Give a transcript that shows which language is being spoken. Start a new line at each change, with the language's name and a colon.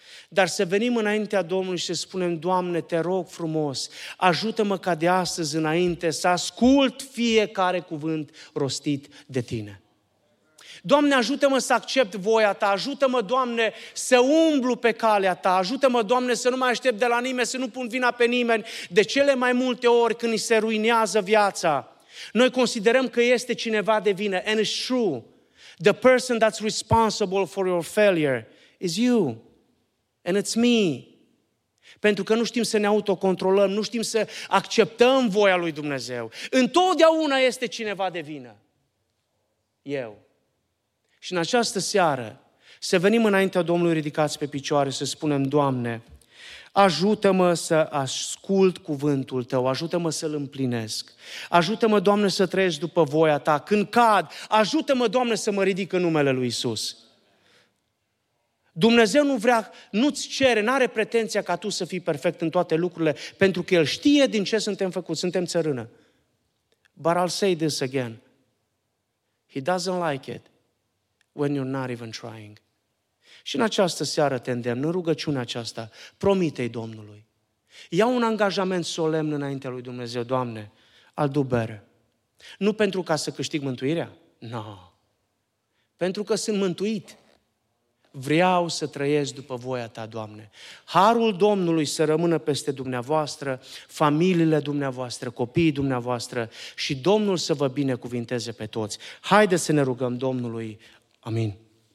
Romanian: Dar să venim înaintea Domnului și să spunem, Doamne, te rog frumos, ajută-mă ca de astăzi înainte să ascult fiecare cuvânt rostit de Tine. Doamne, ajută-mă să accept voia Ta, ajută-mă, Doamne, să umblu pe calea Ta, ajută-mă, Doamne, să nu mai aștept de la nimeni, să nu pun vina pe nimeni. De cele mai multe ori când ni se ruinează viața, noi considerăm că este cineva de vină.
English: And it's true, the person that's responsible for your failure is you. And it's me.
Romanian: Pentru că nu știm să ne autocontrolăm, nu știm să acceptăm voia lui Dumnezeu. Întotdeauna este cineva de vină. Eu. Și în această seară, să venim înaintea Domnului ridicați pe picioare, să spunem, Doamne, ajută-mă să ascult cuvântul Tău, ajută-mă să-L împlinesc. Ajută-mă, Doamne, să trăiesc după voia Ta. Când cad, ajută-mă, Doamne, să mă ridic în numele lui Iisus. Dumnezeu nu vrea, nu-ți cere, n-are pretenția ca tu să fii perfect în toate lucrurile, pentru că El știe din ce suntem făcuți, suntem țărână.
English: But I'll say this again. He doesn't like it when you're not even trying.
Romanian: Și în această seară te îndemn, în rugăciunea aceasta, promite-i Domnului. Ia un angajament solemn înaintea lui Dumnezeu, Doamne,
English: I'll do better.
Romanian: Nu pentru ca să câștig mântuirea, no. Pentru că sunt mântuit. Vreau să trăiesc după voia Ta, Doamne. Harul Domnului să rămână peste dumneavoastră, familiile dumneavoastră, copiii dumneavoastră și Domnul să vă binecuvinteze pe toți. Haideți să ne rugăm Domnului. Amin.